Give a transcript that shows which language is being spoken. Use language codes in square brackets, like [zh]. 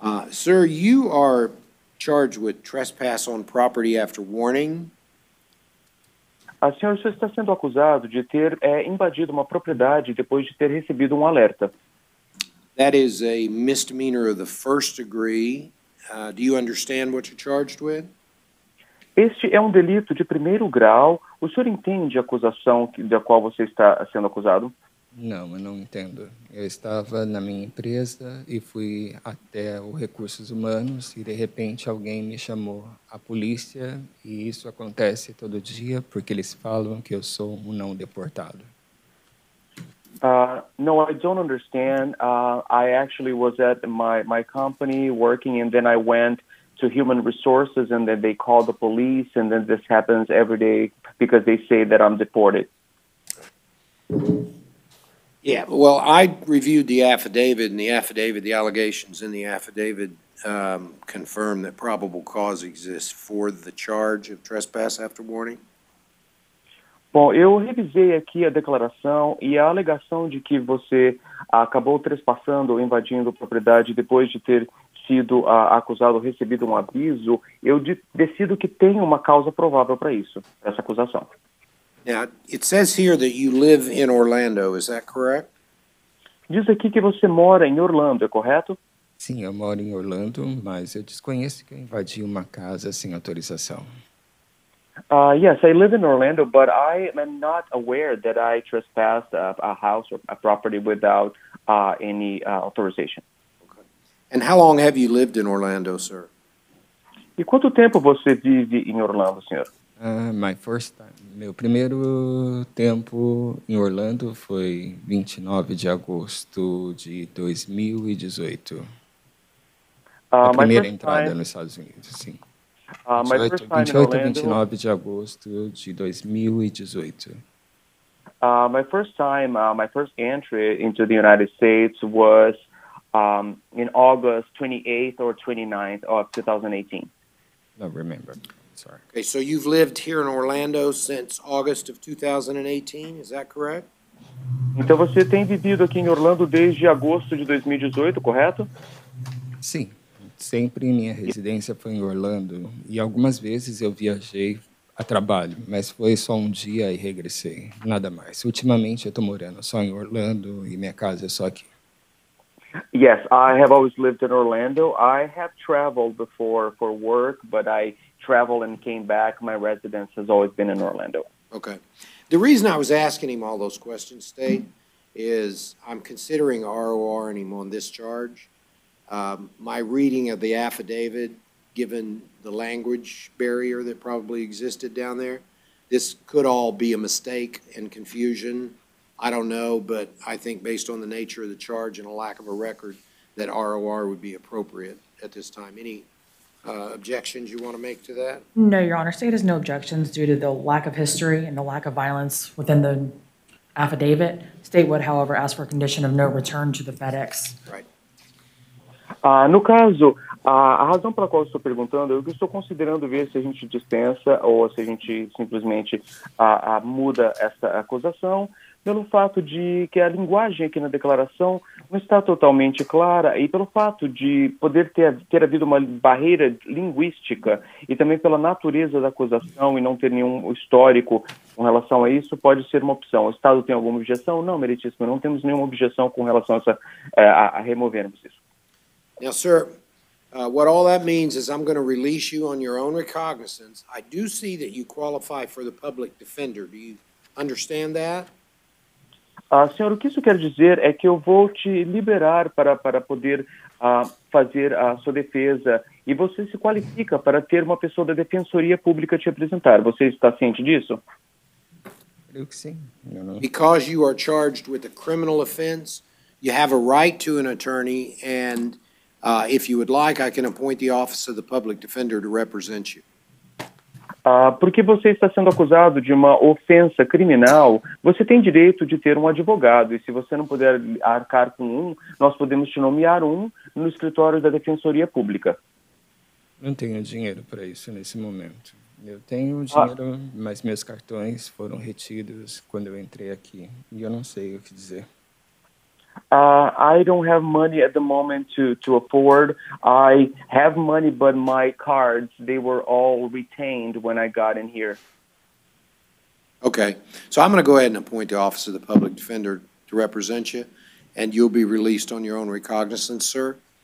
[en] Sir, you are charged with trespass on property after warning. [pt] A senhora só está sendo acusado de ter invadido uma propriedade depois de ter recebido um alerta. [en] That is a misdemeanor of the first degree. Do you understand what you're charged with? [pt] Este é um delito de primeiro grau. O senhor entende a acusação da qual você está sendo acusado? Não, eu não entendo. Eu estava na minha empresa e fui até o Recursos Humanos e, de repente, alguém me chamou a polícia e isso acontece todo dia porque eles falam que eu sou um não deportado. [en] No, I don't understand. I actually was at my company working and then I went to human resources and then they call the police and then this happens every day because they say that I'm deported. Yeah, well, I reviewed the affidavit and the allegations in the affidavit confirm that probable cause exists for the charge of trespass after warning. [pt] Bom, eu revisei aqui a declaração e a alegação de que você acabou trespassando ou invadindo propriedade depois de ter sido acusado ou recebido um aviso, eu decido que tem uma causa provável para isso, essa acusação. [en] Now, it says here that you live in Orlando, is that correct? [pt] Diz aqui que você mora em Orlando, é correto? Sim, eu moro em Orlando, mas eu desconheço que eu invadi uma casa sem autorização. [en] Yes, I live in Orlando, but I am not aware that I trespassed a house or a property without any authorization. And how long have you lived in Orlando, sir? [pt] E quanto tempo você vive em Orlando, senhor? [en] My first time. [pt] Meu primeiro tempo em Orlando foi 29 de agosto de 2018. A primeira entrada nos Estados Unidos, sim. 28 de agosto de 2018. [en] My first entry into the United States was in August 28th or 29th of 2018. I don't remember. sorry. Okay, so you've lived here in Orlando since August of 2018, is that correct? [pt] Então você tem vivido aqui em Orlando desde agosto de 2018, correto? Sim, sempre minha residência foi em Orlando e algumas vezes eu viajei a trabalho, mas foi só um dia e regressei, nada mais. Ultimamente eu estou morando só em Orlando e minha casa é só aqui. [en] Yes, I have always lived in Orlando. I have traveled before for work, but I traveled and came back. My residence has always been in Orlando. Okay. The reason I was asking him all those questions, Stay, is I'm considering RORing him on this charge. My reading of the affidavit, given the language barrier that probably existed down there, this could all be a mistake and confusion. I don't know, but I think based on the nature of the charge and a lack of a record, that ROR would be appropriate at this time. Any objections you want to make to that? No, Your Honor. State has no objections due to the lack of history and the lack of violence within the affidavit. State would, however, ask for a condition of no return to the FedEx. Right. [pt] No caso, a razão pela qual eu estou perguntando, eu estou considerando ver se a gente dispensa ou se a gente simplesmente muda essa acusação, pelo fato de que a linguagem aqui na declaração não está totalmente clara e pelo fato de poder ter havido uma barreira linguística e também pela natureza da acusação e não ter nenhum histórico com relação a isso, pode ser uma opção. O Estado tem alguma objeção? Não, meritíssimo, não temos nenhuma objeção com relação a removermos isso. [en] Now, sir, what all that means is I'm going to release you on your own recognizance. I do see that you qualify for the public defender. Do you understand that? [pt] Senhor, o que isso quer dizer é que eu vou te liberar para poder fazer a sua defesa e você se qualifica para ter uma pessoa da Defensoria Pública te apresentar. Você está ciente disso? Eu que sim. [en] Because you are charged with a criminal offense, you have a right to an attorney, and if you would like, I can appoint the Office of the Public Defender to represent you. [pt] Porque você está sendo acusado de uma ofensa criminal, você tem direito de ter um advogado, e se você não puder arcar com um, nós podemos te nomear um no escritório da Defensoria Pública. Não tenho dinheiro para isso nesse momento. Eu tenho dinheiro, mas meus cartões foram retidos quando eu entrei aqui, e eu não sei o que dizer. [en] I don't have money at the moment to afford. I have money, but my cards, they were all retained when I got in here. Okay. So I'm going to go ahead and appoint the Office of the Public Defender to represent you, and you'll be released on your own recognizance, sir.